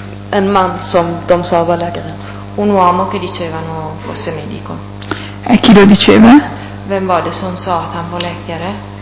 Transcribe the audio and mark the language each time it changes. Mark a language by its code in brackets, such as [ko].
[sv] En man som de sa var läkare. [it] Un uomo che dicevano fosse medico. E chi lo diceva? [sv] Vem var det som sa att han var läkare?